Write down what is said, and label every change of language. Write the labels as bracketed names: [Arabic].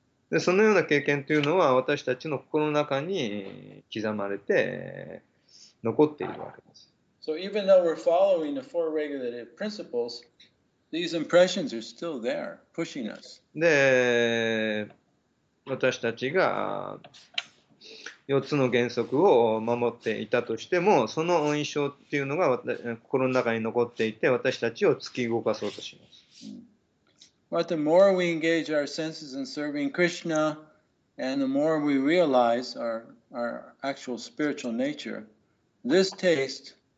[Japanese] で、そのような経験というのは私たちの心の中に刻まれて残っているわけです。 [English] So even though we're following the four regulative principles, these impressions are still there, pushing us. [Japanese] で、私たちが四つの原則を守っていたとしても、その印象っていうのが心の中に残っていて、私たちを突き動かそうとします。 [English] But the more we engage our senses in serving Krishna, and the more we realize our actual spiritual nature, this taste...